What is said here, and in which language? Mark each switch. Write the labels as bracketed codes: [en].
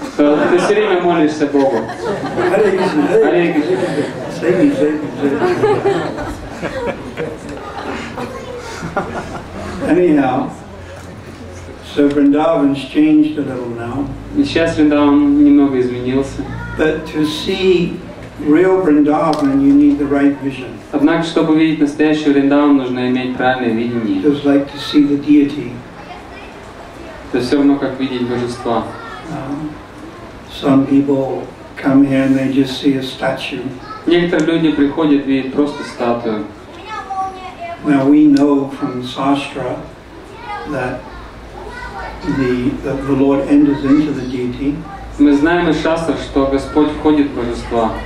[ru] Ты все время молишься Богу. [en] Hare Krishna. Hare Krishna. Anyhow. So Vrindavan's changed a little now. [ru] Сейчас Вриндаван немного изменился. [en] But to see real Vrindavan, you need the right vision. [ru] Однако, чтобы видеть настоящий Вриндаван, нужно иметь правильное видение. [en] Just like to see the deity. [ru] То есть все равно, как видеть божество. [en] Some people come here and they just see a statue. [ru] Некоторые люди приходят и видят просто статую. [en] Now we know from Sastra that the Lord enters into the deity. [ru] Мы знаем из шастр, что Господь входит в божество.